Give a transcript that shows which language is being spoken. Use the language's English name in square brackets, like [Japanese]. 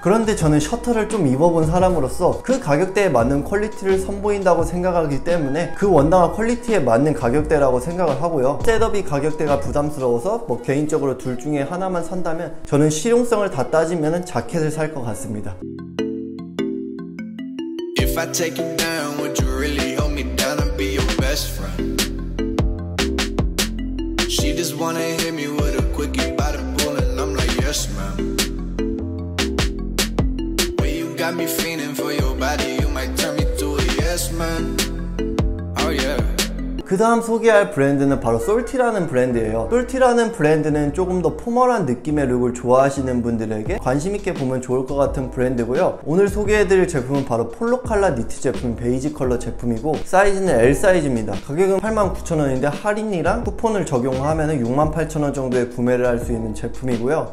[Korean] 그런데 저는 셔터를 좀 입어본 사람으로서 그 가격대에 맞는 퀄리티를 선보인다고 생각하기 때문에 그 원단과 퀄리티에 맞는 가격대라고 생각을 하고요. 셋업이 가격대가 부담스러워서 뭐 개인적으로 둘 중에 하나만 산다면 저는 실용성을 다 따지면 자켓을 살 것 같습니다. [English] If I take you now, would you really hold me down and be your best friend? She just wanna hit me with a quickie by the pool and I'm like yes ma'am. When you got me feeling for your body, you might turn me to a yes man. Oh yeah. [Korean] 그 다음 소개할 브랜드는 바로 솔티라는 브랜드예요. 솔티라는 브랜드는 조금 더 포멀한 느낌의 룩을 좋아하시는 분들에게 관심 있게 보면 좋을 것 같은 브랜드고요. 오늘 소개해드릴 제품은 바로 폴로칼라 니트 제품, 베이지 컬러 제품이고 사이즈는 L사이즈입니다. 가격은 89,000원인데 할인이랑 쿠폰을 적용하면 68,000원 정도에 구매를 할 수 있는 제품이고요.